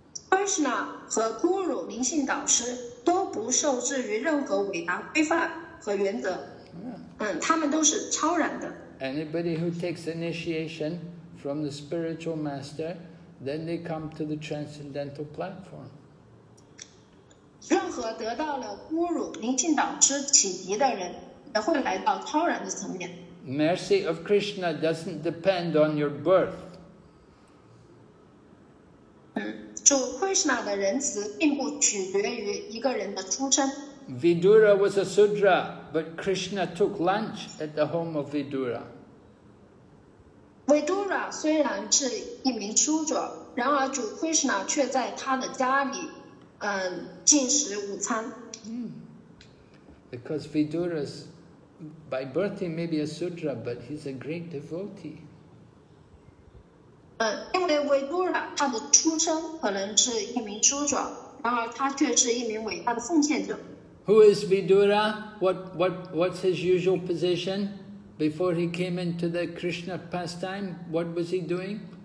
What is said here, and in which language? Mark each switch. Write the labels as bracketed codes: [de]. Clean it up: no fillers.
[zh] Krishna 和 Guru 灵性导师都不受制于任何伟大规范和原则，他们都是超然的。 [en] Anybody who takes initiation from the spiritual master, then they come to the transcendental platform. [zh] 任何得到了 Guru 灵性导师启迪的人，也会来到超然的层面。 [en] Mercy of Krishna doesn't depend on your birth. [zh] 主 Krishna 的仁慈并不取决于一个人的出身。 [en] Vidura was a sudra, but Krishna took lunch at the home of Vidura. [zh] Vidura 虽然是一名出者，然而主 Krishna 却在他的家里，进食午餐。 [en] Because Vidura's by birth he may be a sudra, but he's a great devotee. [zh] 因为维多拉他的出生可能是一名出者，然而他却是一名伟大的奉献者。 [en] Who is Vidura? What's his usual position before he came into the Krishna pastime? What was he doing?